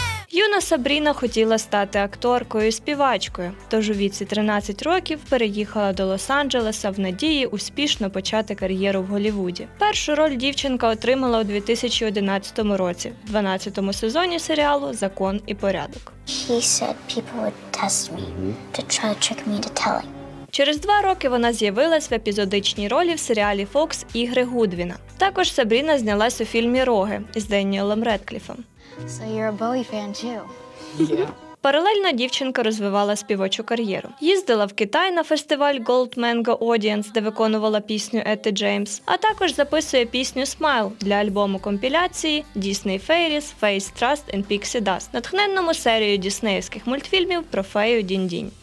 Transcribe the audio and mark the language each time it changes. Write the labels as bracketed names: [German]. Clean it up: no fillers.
[Ukrainian] Юна Сабріна хотіла стати акторкою і співачкою, тож у віці 13 років переїхала до Лос-Анджелеса в надії успішно почати кар'єру в Голлівуді. Першу роль дівчинка отримала у 2011 році в 12-му сезоні серіалу «Закон і порядок». [English] He said people would test me to try to trick me to tell him. [Ukrainian] Через 2 роки вона з'явилась в епізодичній ролі в серіалі Fox «Ігри Гудвіна». Також Сабріна знялась у фільмі «Роги» з Деніелом Редкліфом. [English] So you're a Bowie fan too. Yeah. [Ukrainian] Паралельно дівчинка розвивала співочу кар'єру. Їздила в Китай на фестиваль Gold Mango Audience, де виконувала пісню Етти Джеймс, а також записує пісню Smile для альбому компіляції Disney Fairies, Face Trust and Pixie Dust, натхненному серію діснеївських мультфільмів про фею Дінь-Дінь.